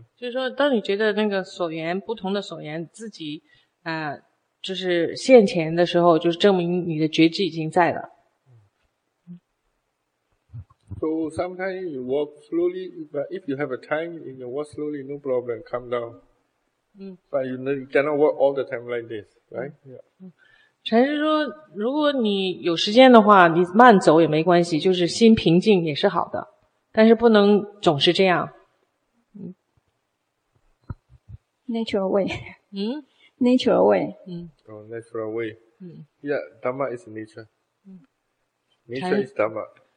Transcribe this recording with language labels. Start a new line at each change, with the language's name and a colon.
Chinese: 就是说当你觉得那个所缘不同的所缘自己就是现前的时候，就是证明你的觉知已经在了。
English: So sometimes you walk slowly, but if you have a time, you can walk slowly, no problem, calm down. But you cannot walk all the time like this, right? Yeah.
Chinese: 禅师说，如果你有时间的话，你慢走也没关系，就是心平静也是好的，但是不能总是这样。
English: Natural way. Natural way. Natural way. Yeah, Dhamma is nature. Nature is Dhamma.